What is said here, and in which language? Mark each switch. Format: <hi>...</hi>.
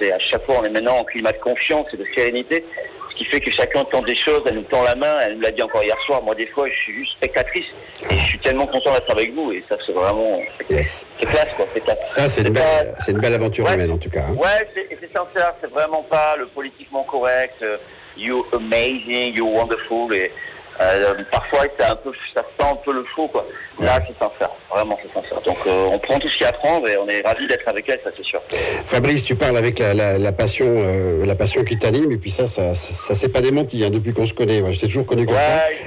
<fr>Et à chaque fois, on est maintenant en climat de confiance et de sérénité. Ce qui fait que chacun tente des choses, elle nous tend la main. Elle nous l'a dit encore hier soir. Moi, des fois, je suis juste spectatrice. Et je suis tellement content d'être avec vous. Et ça, c'est vraiment... C'est classe, quoi. C'est classe. Ça, c'est une belle aventure humaine, en tout cas. Hein. Ouais, c'est sincère. C'est vraiment pas le politiquement correct.</fr> <en>You're amazing, you're wonderful.</en> <fr>Et parfois, c'est un peu, ça sent un peu le faux, quoi. Là, c'est sincère. Vraiment, c'est sincère. Donc, on prend tout ce qu'il y a à prendre et on est ravis d'être avec elle, ça, c'est sûr. Fabrice, tu parles avec la passion qui t'anime. Et puis ça s'est pas démenti, hein, depuis qu'on se connaît. Moi, je t'ai toujours connu comme ça.</fr>